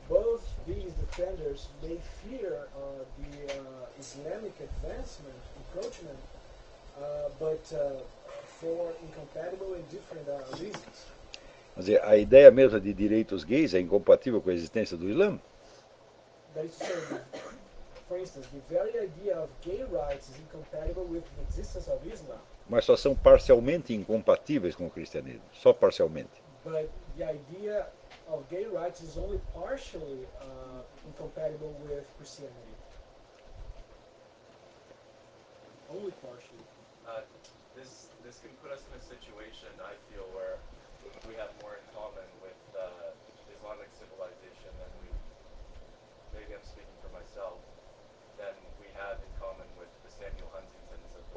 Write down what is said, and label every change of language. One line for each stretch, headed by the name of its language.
English: Both these defenders, they fear the Islamic advancement, encroachment, for incompatible and different reasons.
Portuguese: Quer dizer, a ideia mesmo de direitos gays é incompatível com a existência do Islã?
English: That is to say, for instance, the very idea of gay rights is incompatible with the existence of Islam.
Portuguese: Mas só são parcialmente incompatíveis com o cristianismo, só parcialmente.
English: But the idea of gay rights is only partially incompatible with Christianity. Only partially. This can put us in a situation, I feel, where we have more in common with Islamic civilization than we, maybe I'm speaking for myself, than we have in common with the Samuel Huntington's of the